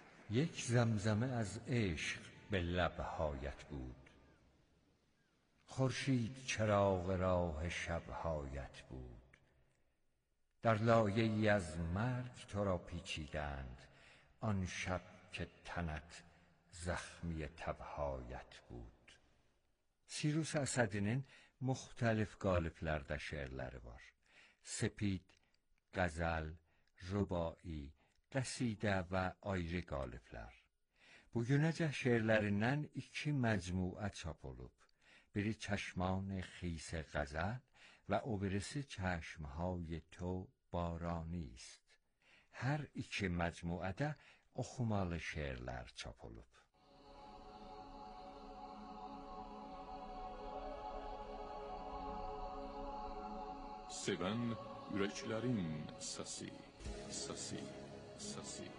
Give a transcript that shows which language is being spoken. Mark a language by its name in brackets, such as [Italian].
[Persian] یک زمزمه از عشق به لب هایت بود، خورشید چراغ راه شب هایت بود، در لایه ای از مرگ تو را پیچیدند، آن شب که تنت زخمی تبهایت بود. [Azerbaijani] سیروس اسدینین مختلف قالب‌لرده شعرلری بار. سپید، غزل، رباعی، قصیده و آیری قالب‌لر. بوگونه‌چه شعرلرینن ایکی مجموعه چاپ اولوب. بیری چشمان خیس غزل و اوبریسی چشمهای تو بارانی است. هر ایکی مجموعه ده اخمالی شعرلر چاپ اولوب. Sevən ürəklərin səsi, səsi, səsi.